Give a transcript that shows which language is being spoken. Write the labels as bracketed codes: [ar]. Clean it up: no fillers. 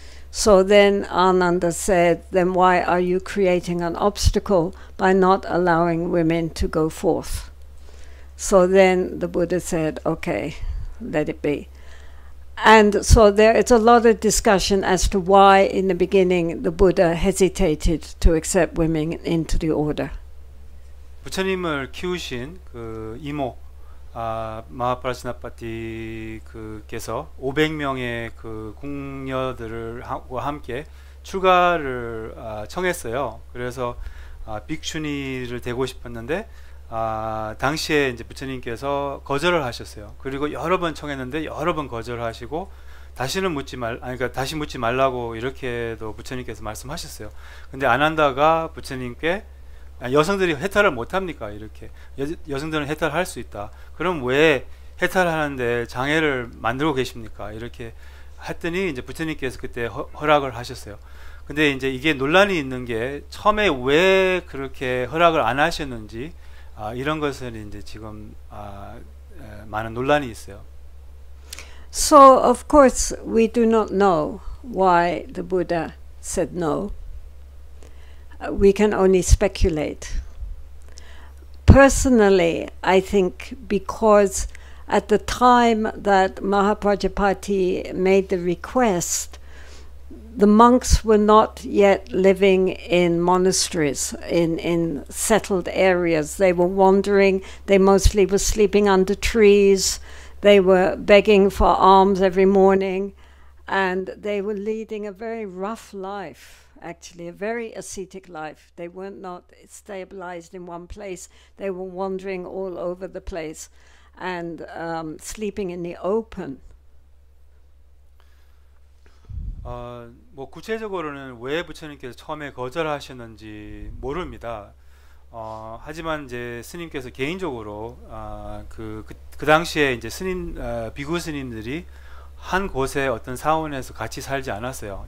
[en] So then Ananda said, then why are you creating an obstacle by not allowing women to go forth? So then the Buddha said, okay, let it be. And so there is a lot of discussion as to why in the beginning the Buddha hesitated to accept women into the order. [ko] 부처님을 키우신 그 이모 마하프라지나파티 그께서 500명의 그 궁녀들을 하고 함께 출가를 청했어요. 그래서 빅추니를 되고 싶었는데 당시에 이제 부처님께서 거절을 하셨어요. 그리고 여러 번 청했는데 여러 번 거절하시고 다시는 묻지 말, 아니 그러니까 다시 묻지 말라고 이렇게도 부처님께서 말씀하셨어요. 근데 아난다가 부처님께 여성들이 해탈을 못 합니까? 이렇게. 여성들은 해탈할 수 있다. 그럼 왜 해탈하는데 장애를 만들고 계십니까? 이렇게 했더니 이제 부처님께서 그때 허락을 하셨어요. 근데 이제 이게 논란이 있는 게 처음에 왜 그렇게 허락을 안 하셨는지, 이런 것은 이제 지금, 많은 논란이 있어요. [en] So, of course, we do not know why the Buddha said no. We can only speculate. Personally, I think because at the time that Mahaprajapati made the request, the monks were not yet living in monasteries, in settled areas. They were wandering, they mostly were sleeping under trees. They were begging for alms every morning, and they were leading a very rough life, actually, a very ascetic life. They were not stabilized in one place. They were wandering all over the place and sleeping in the open. [ko] 뭐 구체적으로는 왜 부처님께서 처음에 거절하셨는지 모릅니다. 하지만 이제 스님께서 개인적으로 그 당시에 이제 스님 비구 스님들이 한 곳에 어떤 사원에서 같이 살지 않았어요.